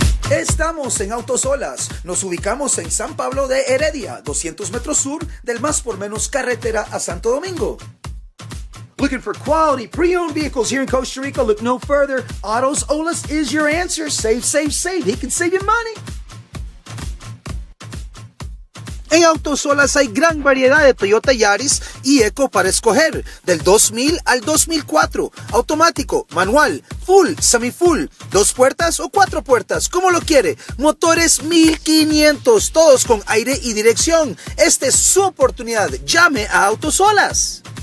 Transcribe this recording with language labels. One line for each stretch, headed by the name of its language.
Spanish: Estamos en Autosolas, nos ubicamos en San Pablo de Heredia, 200 metros sur del más por menos carretera a Santo Domingo.
English: Looking for quality pre-owned vehicles here in Costa Rica? Look no further. Autos Olas is your answer. Save, save, save. He can save you money.
Spanish: En Autosolas hay gran variedad de Toyota Yaris y Eco para escoger, del 2000 al 2004, automático, manual, full, semi-full, dos puertas o cuatro puertas, como lo quiere, motores 1500, todos con aire y dirección, esta es su oportunidad, llame a Autosolas.